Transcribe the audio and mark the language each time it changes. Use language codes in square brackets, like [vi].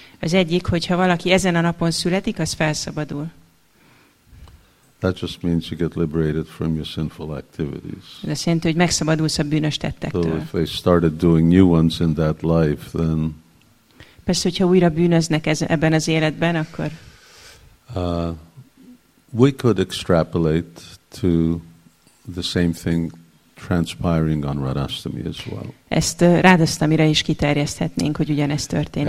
[hu] Az egyik, hogyha valaki ezen a napon születik, az felszabadul. [en] That just means you get liberated from your sinful activities. [hu] Ez azt jelenti, hogy megszabadulsz a bűnös tettektől. [en] So if they started doing new ones in that life, then... [hu] Persze, hogyha újra bűnöznek ebben az életben, akkor... [en] We could extrapolate to the same thing transpiring on Radhashtami as well. [hu] Ezt Radhashtamira is kiterjeszthetnénk, hogy ugyanezt történik.